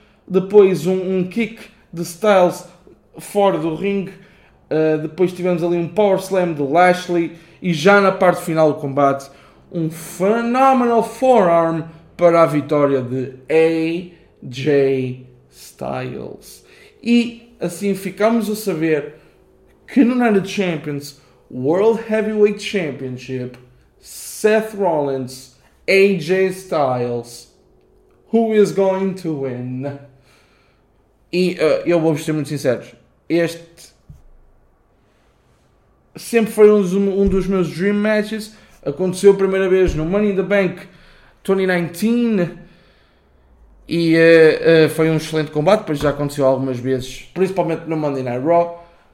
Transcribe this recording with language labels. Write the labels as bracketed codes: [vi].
[pt] Depois um kick de Styles fora do ring. Depois tivemos ali um power slam do Lashley. E já na parte final do combate, um phenomenal forearm para a vitória de AJ Styles. E assim ficamos a saber que no United Champions, World Heavyweight Championship, Seth Rollins, AJ Styles, [en] who is going to win? [pt] E eu vou-vos ser muito sincero, este sempre foi um dos meus dream matches. Aconteceu a primeira vez no Money in the Bank 2019. E foi um excelente combate, pois já aconteceu algumas vezes, principalmente no Monday Night Raw.